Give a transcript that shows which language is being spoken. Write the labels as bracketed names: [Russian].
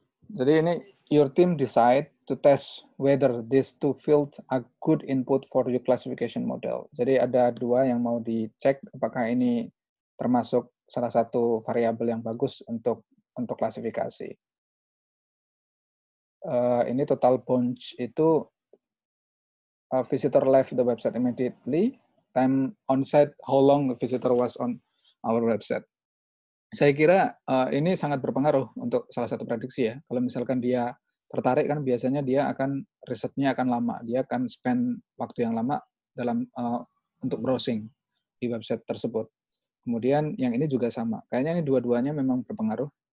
[Indonesian] Jadi ini [English] your team decide to test whether these two fields are good input for your classification model. [Indonesian] Jadi ada dua yang mau dicek apakah ini termasuk salah satu variabel yang bagus untuk klasifikasi. [English] Ini total bounce itu visitor left the website immediately, time on site, how long the visitor was on our website. [Indonesian] Saya kira ini sangat berpengaruh untuk salah satu prediksi ya. Kalau misalkan dia tertarik kan biasanya dia akan risetnya akan lama, dia akan spend waktu yang lama dalam untuk browsing di website tersebut. Kemudian yang ini juga sama. Kayaknya ini dua-duanya memang berpengaruh.